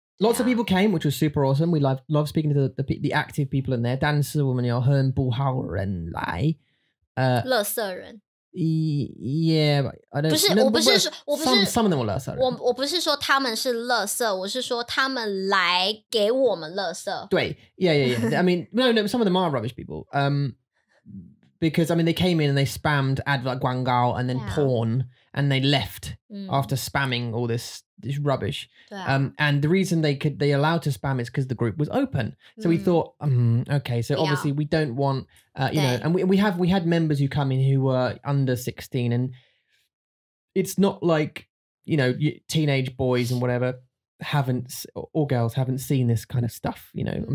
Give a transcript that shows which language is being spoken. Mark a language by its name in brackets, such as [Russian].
[English] Lots of people came, which was super awesome. We love speaking to the active people in there. [Chinese] 但是我们有很不好人来。垃圾人。 [English] Yeah, I don't [Chinese] know. 不是，我不是说，我不是。 [English] Some of them were [Chinese] 垃圾人。我不是说他们是垃圾，我是说他们来给我们垃圾。 [English] 对 ，Yeah. I mean, no. Some of them are rubbish people. Because I mean, they came in and they spammed advert 广告 and then porn, and they left after spamming all this rubbish. And the reason they allowed to spam is because the group was open. So we thought, okay, so obviously we don't want, you know, and we had members who come in who were under 16, and it's not like, you know, teenage boys and whatever haven't seen this kind of stuff, you know.